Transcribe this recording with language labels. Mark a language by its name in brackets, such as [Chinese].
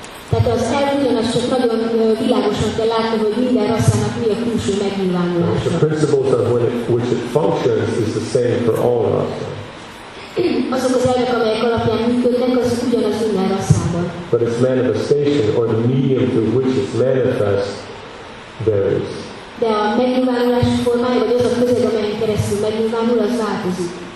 [Hungarian] Tehát az elugyanaz, csak nagyon világosan kell látni, hogy minden rasszának mi a külső megnyilvánulása. [English] The principles of which it functions is the same for all rasszák. [Hungarian] Azok az elvek, amelyek alapján működnek, az ugyanaz minden rasszában. [English] But its manifestation, or the medium through which it manifests, varies. [Hungarian] De a megnyilvánulás formája, vagy az a közeg, amelyen keresztül megnyilvánul, az változik.